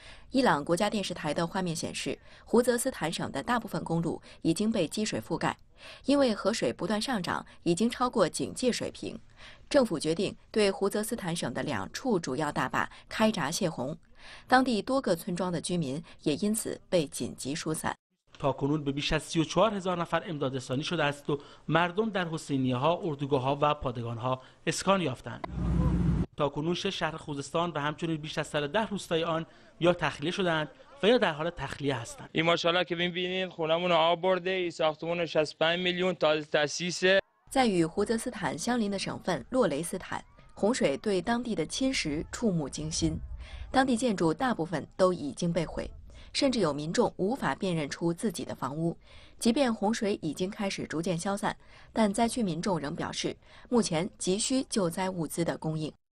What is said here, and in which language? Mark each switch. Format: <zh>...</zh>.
<zh>伊朗国家电视台的画面显示，胡泽斯坦省的大部分公路已经被积水覆盖，因为河水不断上涨，已经超过警戒水平。政府决定对胡泽斯坦省的两处主要大坝开闸泄洪，当地多个村庄的居民也因此被紧急疏散。</zh> <fa>تا کنون به بیش از 34,000 نفر امداد رسانی شده است و مردم در حسینیه ها، اردوگاه ها و پادگان ها اسکان یافتند. تا کنون 6 شهر خوزستان و همچنین بیش از 110 روستای آن یا تخلیه شدند و یا در حال تخلیه هستند. این ماشاءالله که ببینید خونمون آب برده، این ساختمون 65 میلیون تازه تاسیسه.</fa> <zh>在与胡泽斯坦相邻的省份洛雷斯坦，洪水对当地的侵蚀触目惊心，当地建筑大部分都已经被毁，甚至有民众无法辨认出自己的房屋。即便洪水已经开始逐渐消散，但灾区民众仍表示，目前急需救灾物资的供应。</zh>